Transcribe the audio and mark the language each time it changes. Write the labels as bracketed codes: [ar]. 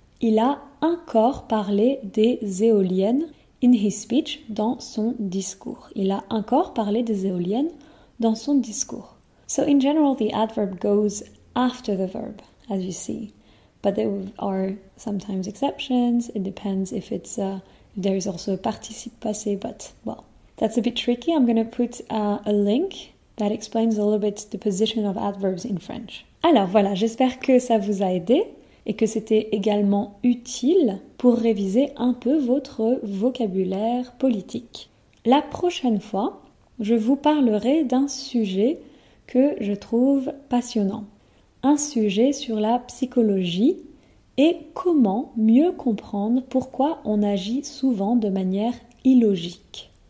[fr] Il a encore parlé des éoliennes [en] in his speech, [fr] dans son discours. Il a encore parlé des éoliennes dans son discours. [en] So in general, the adverb goes after the verb, as you see. But there are sometimes exceptions. It depends if it's a... There is also a participe passé, but, well, that's a bit tricky. I'm going to put a link that explains a little bit the position of adverbs in French. [fr] Alors, voilà, j'espère que ça vous a aidé et que c'était également utile pour réviser un peu votre vocabulaire politique. La prochaine fois, je vous parlerai d'un sujet que je trouve passionnant. Un sujet sur la psychologie. Et comment mieux comprendre pourquoi on agit souvent de manière illogique.